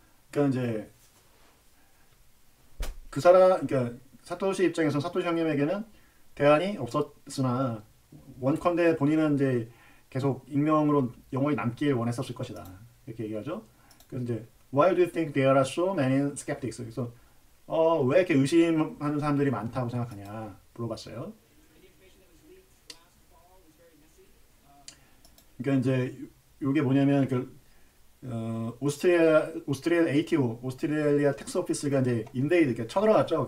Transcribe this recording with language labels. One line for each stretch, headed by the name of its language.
Korean: 그러니까 이제 그 사람, 그러니까 사토시 입장에서 사토시 형님에게는 대안이 없었으나 원컨대 본인은 이제 계속 익명으로 영원히 남길 원했었을 것이다. 이렇게 얘기하죠. 그래서 이제
English: Why do you think there are so many skeptics?
Korean: 그래서 왜 이렇게 의심하는 사람들이 많다고 생각하냐 물어봤어요. 그러니까 이제 이게 뭐냐면 오스트리아 ATO, 오스트레일리아 텍스 오피스가 이제 인베이드 이렇게 쳐들어갔죠.